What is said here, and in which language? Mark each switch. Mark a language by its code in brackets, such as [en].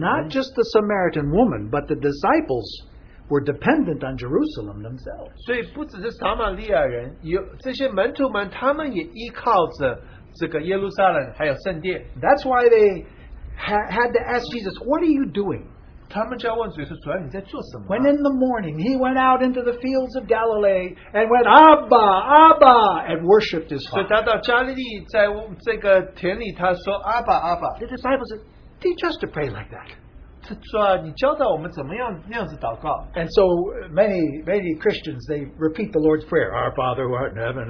[en] not just the Samaritan woman, but the disciples were dependent on Jerusalem themselves. [zh] 所以不只是撒玛利亚人，这些门徒们他们也依靠着这个耶路撒冷还有圣殿。 [en] That's why they had to ask Jesus, what are you doing? [zh] 他们就要问主耶稣, [en] when in the morning he went out into the fields of Galilee and went Abba, Abba, and worshipped his Father. [zh] 所以他到加利利在这个田里他说, Abba, Abba. [en] The disciples said, teach us to pray like that. [zh] 主啊,你教导我们怎么样那样子祷告。 [en] And so many Christians, they repeat the Lord's Prayer, Our Father who art in heaven.